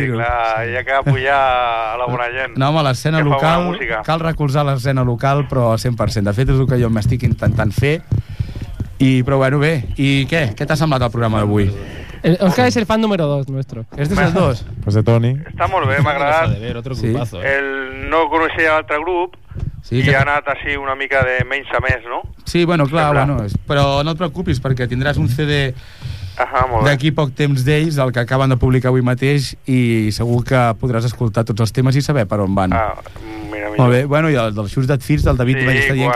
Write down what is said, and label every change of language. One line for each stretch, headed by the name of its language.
Catalan: Sí, clar, ja que apujar a la bona gent. No, home, l'escena local, cal recolzar l'escena local, però 100%. De fet, és el que jo m'estic intentant fer. Però bueno, bé. I què? Què t'ha semblat el programa d'avui? Òscar és el fan número 2
Spanish: nuestro. ¿Este es el 2? Pues de Toni. Está muy bien, me agrada. De ver, otro grupazo. Sí. El no conocía otro grupo.
Catalan: Sí, i que... ha anat així una mica de menys a més, no? Sí, bueno, clar, sí, bueno, però no et preocupis perquè tindràs un CD d'aquí poc temps d'ells, el que acaben de publicar avui mateix, i segur que podràs escoltar tots els temes i saber per on van. Ah, mira. Molt bé, bueno, i el dels Shoestat Fit, del David, sí, m'està dient